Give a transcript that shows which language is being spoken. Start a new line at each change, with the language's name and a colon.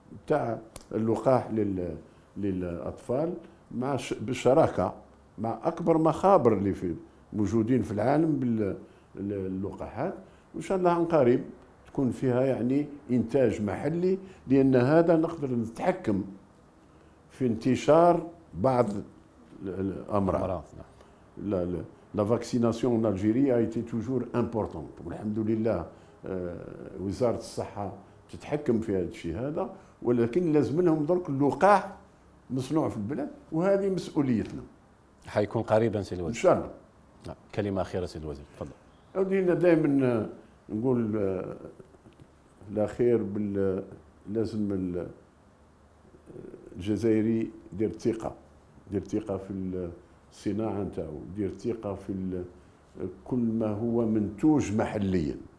Arabic: تاع اللقاح للأطفال مع بالشراكة مع أكبر مخابر اللي في موجودين في العالم باللقاحات، وإن شاء الله عن قريب تكون فيها يعني إنتاج محلي، لأن هذا نقدر نتحكم في انتشار بعض الأمراض.
French: La vaccination en Algérie a été toujours importante.
Arabic: Alhamdoulillah, وزارة الصحة تتحكم في هذا الشيء هذا، ولكن لازم لهم درك اللقاح مصنوع في البلاد، وهذه مسؤوليتنا. حيكون قريبا سي الوزير. إن شاء الله. كلمة أخيرة سي الوزير، تفضل. أودي أنا دائما نقول الأخير لازم الجزائري يدير ثقة، يدير ثقة في الصناعة نتاعو، يدير ثقة في كل ما هو منتوج محليا.